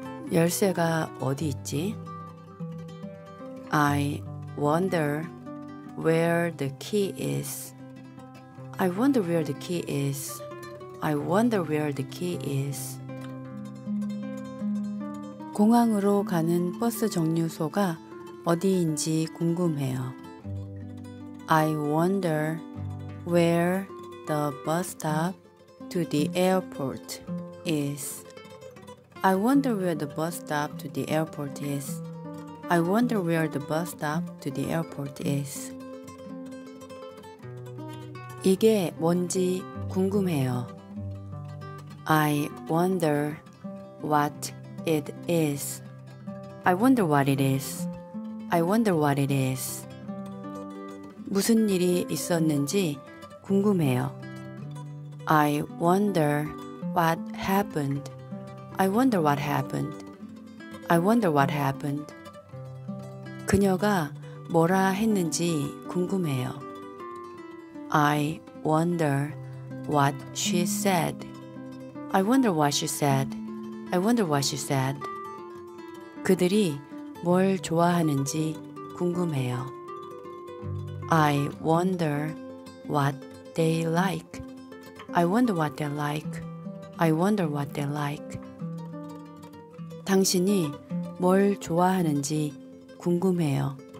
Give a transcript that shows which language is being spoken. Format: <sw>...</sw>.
<ko>열쇠가 어디 있지?</ko> <en>I wonder where the key is. I wonder where the key is. I wonder where the key is.</en> <ko>공항으로 가는 버스 정류소가 어디인지 궁금해요.</ko> <en>I wonder where the bus stop to the airport is. I wonder where the bus stop to the airport is. I wonder where the bus stop to the airport is.</en> <ko>이게 뭔지 궁금해요.</ko> <en>I wonder what it is. I wonder what it is. I wonder what it is.</en> <ko>무슨 일이 있었는지 궁금해요.</ko> <en>I wonder what happened. I wonder what happened. I wonder what happened.</en> <ko>그녀가 뭐라 했는지 궁금해요.</ko> <en>I wonder what she said. I wonder what she said. I wonder what she said.</en> <ko>그들이 뭘 좋아하는지 궁금해요.</ko> <en>I wonder what they like. I wonder what they like. I wonder what they like.</en> <ko>당신이 뭘 좋아하는지 궁금해요.</ko>